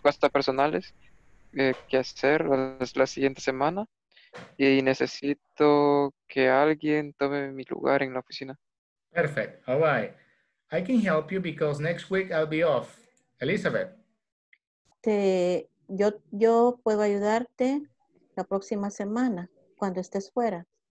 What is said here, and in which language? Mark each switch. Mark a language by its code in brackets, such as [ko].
[es] Cosas personales, que hacer la siguiente semana y necesito que alguien tome mi lugar en la oficina. [en] Perfect, all right. I can help you because next week I'll be off. Elizabeth. [es] Yo puedo ayudarte la próxima semana cuando estés fuera.